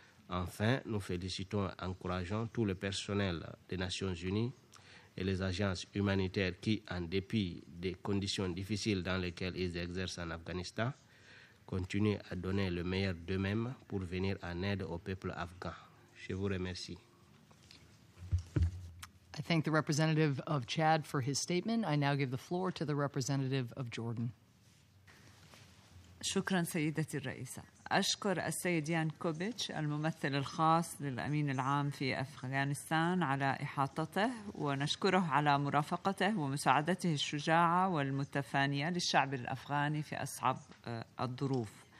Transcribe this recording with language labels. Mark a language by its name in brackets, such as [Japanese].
[French] Enfin, nous félicitons et encourageons tout le personnel des Nations Unies et les agences humanitaires qui, en dépit des conditions difficiles dans lesquelles ils exercent en Afghanistan, continuent à donner le meilleur d'eux-mêmes pour venir en aide au peuple afghan. Je vous remercie. [English] I thank the representative of Chad for his statement. I now give the floor to the representative of Jordan. [Arabic] شكراً سيدتي الرئيسة. أشكر السيد يانكوبيتش الممثل الخاص للأمين العام في أفغانستان على إحاطته ونشكره على مرافقته ومساعدته الشجاعة والمتفانية للشعب الأفغاني في أصعب الظروف.